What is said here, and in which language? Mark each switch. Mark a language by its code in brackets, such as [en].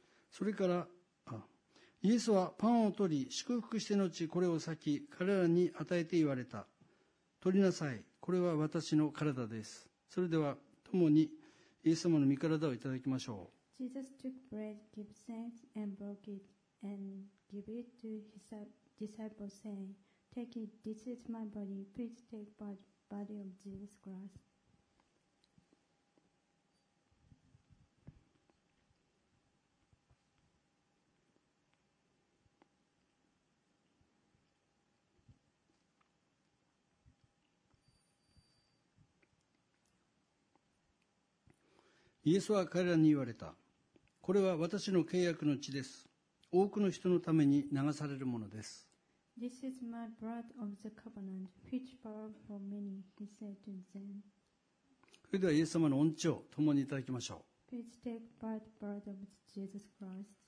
[ja] それからイエスはパンを取り祝福して後これを裂き彼らに与えて言われた。取りなさい、これは私の体です。それでは共にイエス様の御体をいただきましょう。 [en] Jesus took bread, gave thanks, and broke it, and gave it to his disciples, saying, Take it, this is my body, please take the body of Jesus Christ. [ja] イエスは彼らに言われた。これは私の契約の血です。多くの人のために流されるものです。 [en] This is my blood of the covenant, which for many, he said to them. [ja] それではイエス様の恩知を共にいただきましょう。 [en] Please take the blood of Jesus Christ.